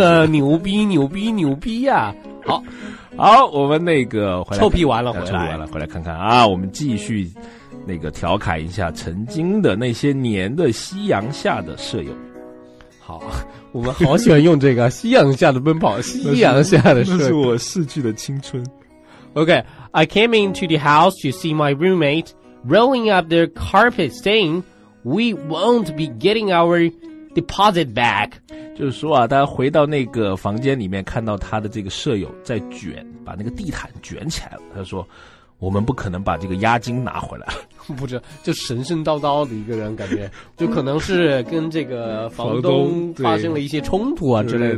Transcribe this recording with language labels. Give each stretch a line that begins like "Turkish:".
Chinese: 哎呀，牛逼牛逼牛逼呀、啊、好好，我们那个回来臭屁完了，回来臭屁完了，回来看看啊，我们继续那个调侃一下曾经的那些年的夕阳下的舍友。好，我们好喜欢用这个夕阳下的奔跑，夕阳下的是我逝去的青春。
English: OK， I came into the house to see my roommate rolling up their carpet saying we won't be getting our deposit back。
Chinese: 就是说啊，他回到那个房间里面，看到他的这个舍友在卷，把那个地毯卷起来了，他说我们不可能把这个押金拿回来。不知道，就神神叨叨的一个人，感觉就可能是跟这个房东发生了一些冲突啊之类的。